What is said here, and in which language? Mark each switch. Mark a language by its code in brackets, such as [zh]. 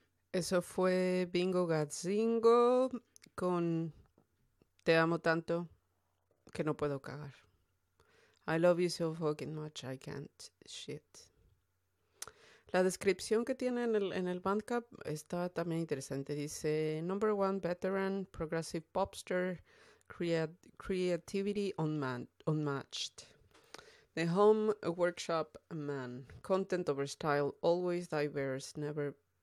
[es] Eso fue Bingo Gazingo con Te amo tanto que no puedo cagar. [en] I love you so fucking much, I can't shit. [es] La descripción que tiene en el Bandcamp está también interesante. Dice: [en] Number one veteran, progressive popster, creativity unmatched. The home workshop man, content over style, always diverse, never.